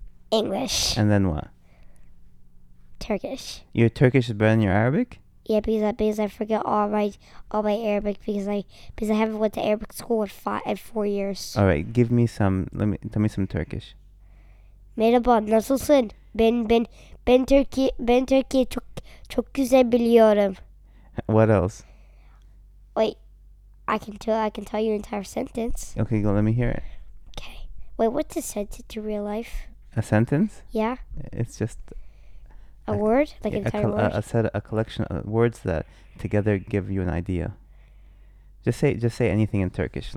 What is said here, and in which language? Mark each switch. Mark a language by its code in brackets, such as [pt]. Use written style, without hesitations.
[en] English. And then what? Turkish. Your Turkish is better than your Arabic? Yeah, because I forget all my Arabic because I haven't went to Arabic school in 4 years. All right, give me some. Tell me some Turkish. [tr] Merhaba, nasılsın? Ben Türkiye çok güzel biliyorum. [en] What else? Wait. I can tell your entire sentence. Okay, go. Let me hear it. Okay. Wait, what's a sentence in real life? A sentence? Yeah. It's just... A word? Like an entire word? A collection of words that together give you an idea. Just say anything in Turkish.